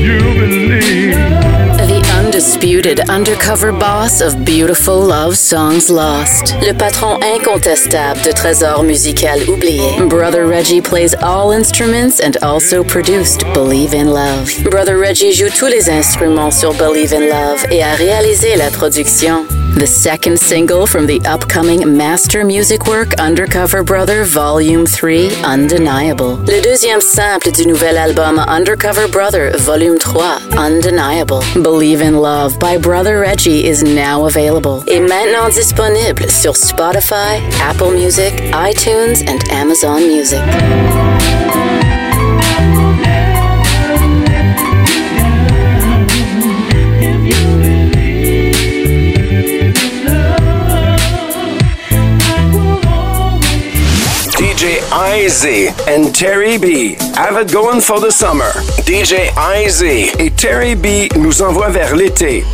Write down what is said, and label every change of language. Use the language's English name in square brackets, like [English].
[English] You believe. Disputed undercover boss of Beautiful Love Songs Lost. [French] Le patron incontestable de Trésor Musical Oublié. [English] Brother Reggie plays all instruments and also produced Believe in Love. [French] Brother Reggie joue tous les instruments sur Believe in Love et a réalisé la production. [English] The second single from the upcoming master music work Undercover Brother Volume 3, Undeniable. [French] Le deuxième sample du nouvel album Undercover Brother Volume 3, Undeniable. [English] Believe in Love by Brother Reggie is now available. [French] Et maintenant disponible sur Spotify, Apple Music, iTunes and Amazon Music. [English] IZ and Terry B have it going for the summer. [French] DJ IZ et Terry B nous envoient vers l'été.